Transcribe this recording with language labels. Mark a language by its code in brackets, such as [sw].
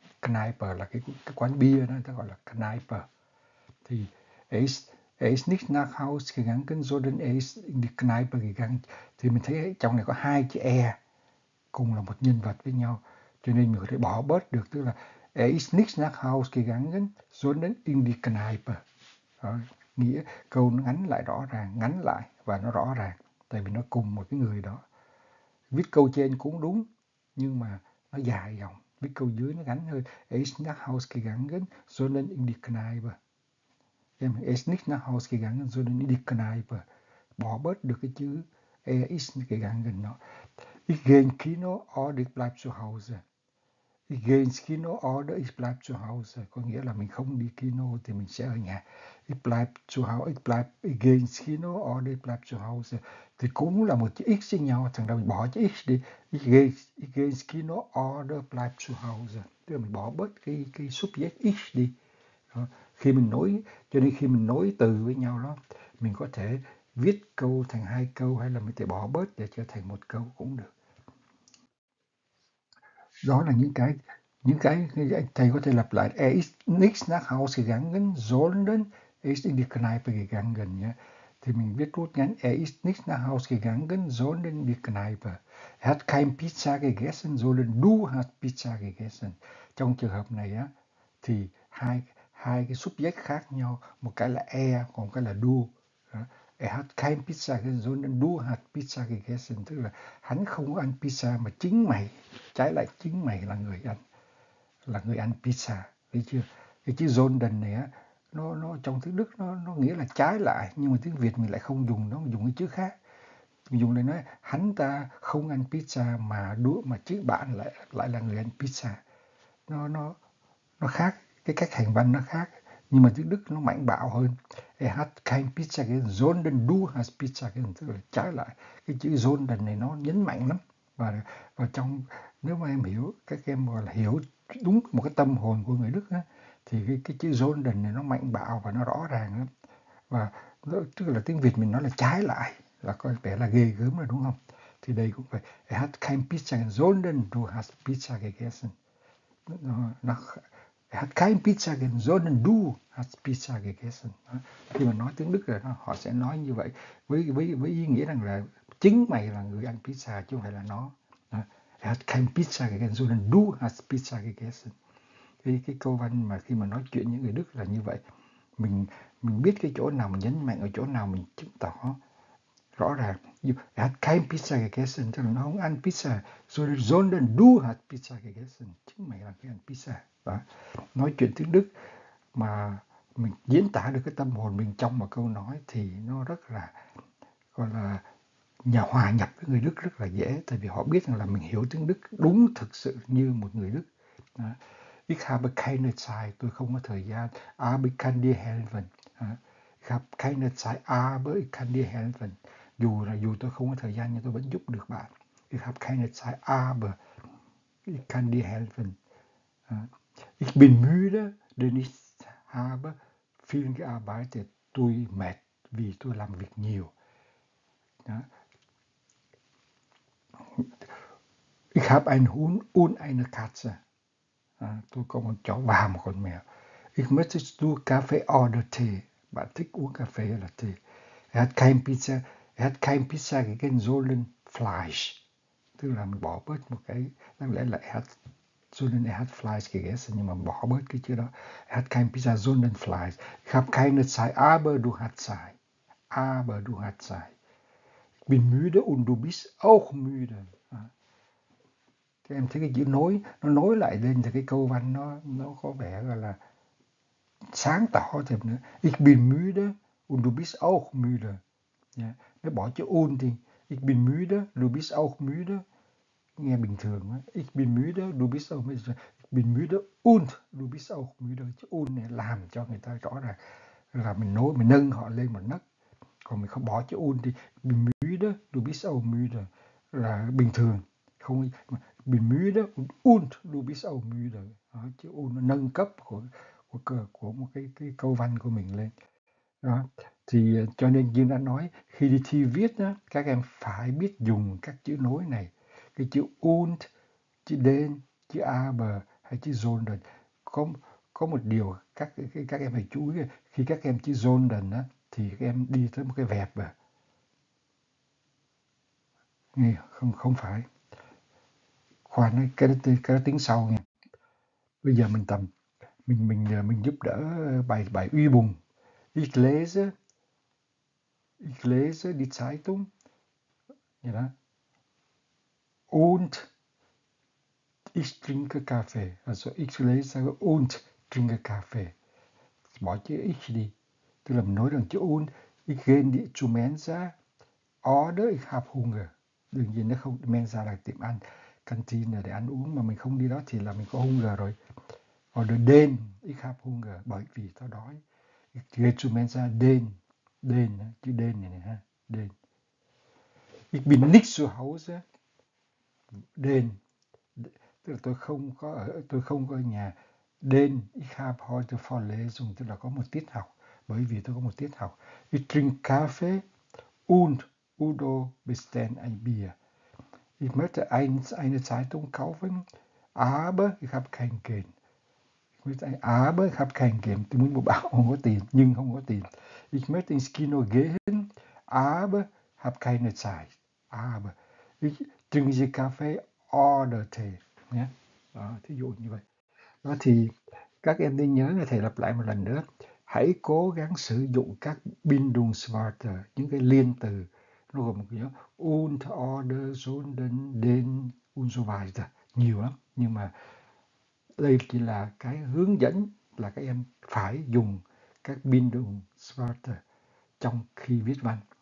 [vi] Kneipe là cái quán bia đó, ta gọi là Kneipe. [de] Thì er ist nicht nach Hause gegangen, sondern er ist in die Kneipe gegangen. [vi] Thì mình thấy trong này có hai chữ e cùng là một nhân vật với nhau, cho nên mình có thể bỏ bớt được, tức là [de] er ist nicht nach Hause gegangen, sondern in die Kneipe. [vi] Đó, nghĩa câu nó ngắn lại rõ ràng, ngắn lại và nó rõ ràng, tại vì nó cùng một cái người đó. Viết câu trên cũng đúng, nhưng mà nó dài dòng. Viết câu dưới nó ngắn hơn. [de] Er ist nach Hause gegangen, sondern in die Kneipe. Em, er ist nicht nach Hause gegangen, sondern in die Kneipe. [vi] Bỏ bớt được cái chữ [de] er ist gegangen [vi] nó. [de] Ich gehe ins Kino oder ich bleibe zu Hause. Ich gehe ins Kino oder ich bleibe zu Hause. [vi] Có nghĩa là mình không đi kino thì mình sẽ ở nhà. [de] Ich bleibe zu Hause, ich gehe ins Kino oder ich bleibe zu Hause. [vi] Thì cũng là một chữ x với nhau, thằng đó mình bỏ chữ x đi. [de] Ich gehe ins Kino oder bleibe zu Hause. [vi] Tức là mình bỏ bớt cái subject x đi. Đó. Khi mình nối, cho nên khi mình nối từ với nhau đó, mình có thể viết câu thành hai câu hay là mình có thể bỏ bớt để cho thành một câu cũng được. Đó là những cái thầy có thể lặp lại. [de] Er ist nicht nach Hause gegangen, sondern er ist in die Kneipe gegangen. Ja? [vi] Thì mình viết rút ngắn. [de] Er ist nicht nach Hause gegangen, sondern in die Kneipe. Er hat kein Pizza gegessen, sondern du hast Pizza gegessen. [vi] Trong trường hợp này á, thì hai cái subject khác nhau. Một cái là er, còn cái là du. [de] Er hat kein Pizza gegessen, du hast Pizza gegessen. [vi] Tức là hắn không ăn pizza mà chính mày, trái lại chính mày là người ăn pizza. Thấy chưa? Cái chữ sondern này á, nó trong tiếng Đức nó nghĩa là trái lại, nhưng mà tiếng Việt mình lại không dùng nó, mình dùng cái chữ khác. Mình dùng để nói hắn ta không ăn pizza mà đũa mà chữ bạn lại là người ăn pizza. Nó khác, cái cách hành văn nó khác. Nhưng mà tiếng Đức nó mạnh bạo hơn. [de] Er hat kein Pizza gegessen, sondern du hast Pizza gegessen. [vi] Tức là trái lại. Cái chữ sondern này nó nhấn mạnh lắm. Và trong, nếu mà em hiểu, các em gọi là hiểu đúng một cái tâm hồn của người Đức á, thì cái chữ sondern này nó mạnh bạo và nó rõ ràng lắm. Và nó, tức là tiếng Việt mình nói là trái lại. Là có vẻ là ghê gớm rồi đúng không? Thì đây cũng vậy. [de] Er hat kein Pizza gegessen, sondern du hast Pizza gegessen. Nó Er hat kein Pizza gegessen, sondern du hast Pizza gegessen. [vi] Khi mà nói tiếng Đức rồi, họ sẽ nói như vậy. Với ý nghĩa rằng là chính mày là người ăn pizza, chứ không phải là nó. [de] Er hat kein Pizza gegessen, sondern du hast Pizza gegessen. [vi] Cái câu văn mà khi mà nói chuyện những người Đức là như vậy. Mình biết cái chỗ nào mình nhấn mạnh, ở chỗ nào mình chứng tỏ. rõ ràng. [de] You had kein Pizza gegessen, [vi] tức là nó không ăn pizza. [de] Sondern du hast Pizza gegessen, [vi] chứ mày là cái ăn pizza. Đó. Nói chuyện tiếng Đức mà mình diễn tả được cái tâm hồn mình trong một câu nói thì nó rất là gọi là nhà hòa nhập với người Đức rất là dễ, tại vì họ biết rằng là mình hiểu tiếng Đức đúng thực sự như một người Đức. Đó. [de] Ich habe keine Zeit, [vi] tôi không có thời gian. [de] Aber ich kann dir helfen. Ich habe keine Zeit, aber ich kann dir helfen. [vi] Dù tôi không có thời gian nhưng tôi vẫn giúp được bạn. [de] Ich habe keine Zeit, aber ich kann dir helfen. Ich bin müde, denn ich habe viel gearbeitet. [vi] Tôi mệt vì tôi làm việc nhiều. Đó. [de] Ich habe einen Hund und eine Katze. [vi] À, tôi có một chó và một con mèo. [de] Ich möchte du Kaffee oder Tee. [vi] Bạn thích uống cà phê hay là tee? [de] Er hat kein Pizza gegessen, sondern Fleisch. [vi] Tức là mình bỏ bớt một cái, đáng lẽ là [de] er hat Fleisch gegessen, [vi] nhưng mà bỏ bớt cái chữ đó. [de] Er hat kein Pizza, sondern Fleisch. Ich habe keine Zeit, aber du hast Zeit. Bin müde und du bist auch müde. [vi] Em thấy cái chữ nối, nó nối lại lên thì cái câu văn nó có vẻ gọi là sáng tỏ thêm nữa. [de] Ich bin müde und du bist auch müde. [vi] Nếu bỏ chữ un thì [de] ich bin müde, du bist auch müde. [vi] Nghe bình thường á. [de] Ich bin müde, du bist auch müde. Ich bin müde und du bist auch müde. [vi] Chữ un này làm cho người ta rõ ràng là mình nối, mình nâng họ lên một nấc. Còn mình không bỏ chữ un thì [de] ich bin müde, du bist auch müde [vi] là bình thường. Không bị mưa đó [de] un du bist auch müde [vi] đó, chứ un nó nâng cấp của một cái câu văn của mình lên đó. Thì cho nên như đã nói khi đi thi viết đó, các em phải biết dùng các chữ nối này, cái chữ un, chữ den, chữ aber hay chữ sondern. Có một điều các em phải chú ý, khi các em chữ sondern á thì các em đi tới một cái verb à. Nghe không không phải khoan, cái đó tính sau nha. Bây giờ mình tầm mình giúp đỡ bài bài uy bùng. [de] Ich lese die Zeitung, [vi] như đó. [de] Und ich trinke Kaffee, also ich lese und trinke Kaffee. [vi] Bỏ chữ ich đi, tức là mình nói rằng chữ und. [de] Ich gehe zur Mensa, oder ich habe Hunger. [vi] Đương nhiên nó không, Mensa là tiệm ăn, canteen là để ăn uống, mà mình không đi đó thì là mình có hunger rồi. [de] Order den, ich habe hunger, [vi] bởi vì tao đói. [de] Gehe zur Mensa, den, [vi] chữ den này ha, [de] den. Ich bin nicht zu Hause, den, [vi] tức là tôi không có ở nhà. [de] Den, ich habe heute Vorlesung, [vi] tức là có một tiết học, bởi vì tôi có một tiết học. [de] Ich trinke Kaffee und Udo bestellt ein Bier. Ich möchte eine Zeitung kaufen, aber ich habe kein Geld. Aber ich habe kein Geld. [vi] Tôi muốn mua báo không có tiền, nhưng không có tiền. [de] Ich möchte ins Kino gehen, aber habe keine Zeit. Aber ich trinke Kaffee oder Tee. [vi] Đó, thí dụ như vậy. Đó thì các em nên nhớ là thầy lặp lại một lần nữa. Hãy cố gắng sử dụng các Bindungswörter, những cái liên từ. Nó gồm một cái nhóm und, order, sondern, den, [de] und so weiter. [vi] Nhiều lắm. Nhưng mà đây chỉ là cái hướng dẫn là các em phải dùng các Bindungswörter trong khi viết văn.